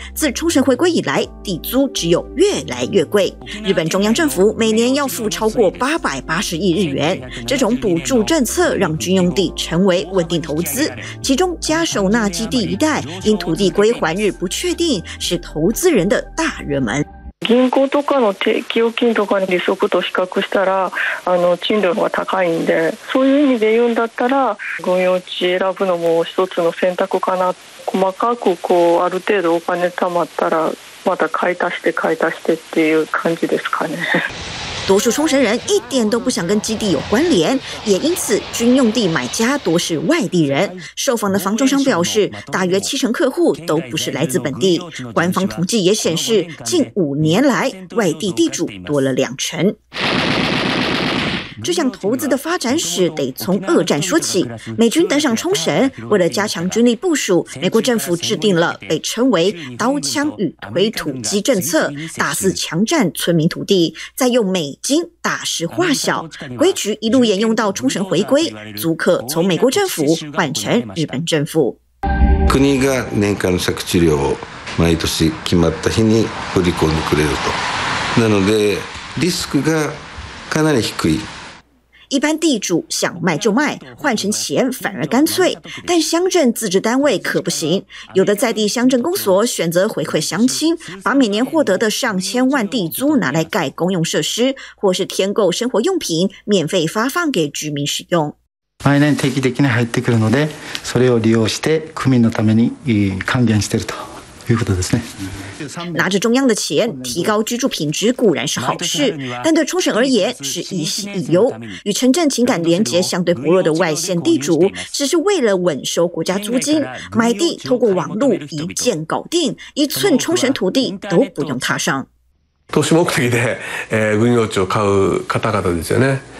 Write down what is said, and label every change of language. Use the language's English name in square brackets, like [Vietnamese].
[Chinese] 自冲绳回归以来，地租只有越来越贵，日本中央政府每年要付超过880亿日元，这种补助政策让军用地成为稳定投资，其中加守纳基地一带因土地归还日不确定，是投资人的大热门。 [Japanese] 銀行とかの定期預金とかの利息と比較したら、賃料が高いんで、そういう意味で言うんだったら、軍用地選ぶのも一つの選択かな。細かくこうある程度お金貯まったら、また買い足して買い足してっていう感じですかね。 [Chinese] 多数冲绳人一点都不想跟基地有关联，也因此军用地买家多是外地人。受访的房仲商表示，大约70%客户都不是来自本地。官方统计也显示，近5年来外地地主多了20%。这项投资的发展史得从二战说起。美军登上冲绳，为了加强军力部署，美国政府制定了被称为“刀枪与推土机”政策，大肆强占村民土地，再用美金大事化小。规矩一路沿用到冲绳回归，租客从美国政府换成日本政府。 [Japanese] 国が年間の借地量を毎年決まった日に振り込んでくれると。なのでリスクがかなり低い。 [Chinese] 一般地主想卖就卖，换成钱反而干脆，但乡镇自治单位可不行。有的在地乡镇公所选择回馈乡亲，把每年获得的上千万地租拿来盖公用设施，或是添购生活用品，免费发放给居民使用。 [Japanese] 毎年定期的に入ってくるので、それを利用して区民のために還元していると。 [Chinese] 拿着中央的钱提高居住品质固然是好事，但对冲绳而言是一喜一忧。与城镇情感连结相对薄弱的外县地主，只是为了稳收国家租金，买地透过网络一键搞定，一寸冲绳土地都不用踏上。 [Japanese] 投資目的で軍用地を買う方々ですよね。